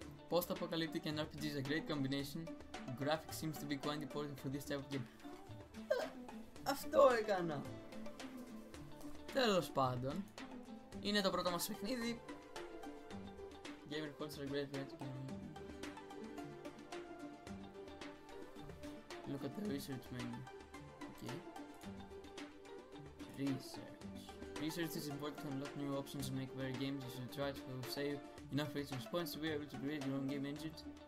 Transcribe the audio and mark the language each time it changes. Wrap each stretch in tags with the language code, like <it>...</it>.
<en>Post-apocalyptic and RPG is a great combination. Graphics seems to be quite important for this type of game.</en> <el>Αυτό έκανα. Τέλος πάντων, είναι το πρώτο μας παιχνίδι.</el> <en>Game reports are great for game. Look at the research menu. Okay. Research. Research is important to unlock new options and make better games. You should try to save enough research points to be able to create your own game engines.</en>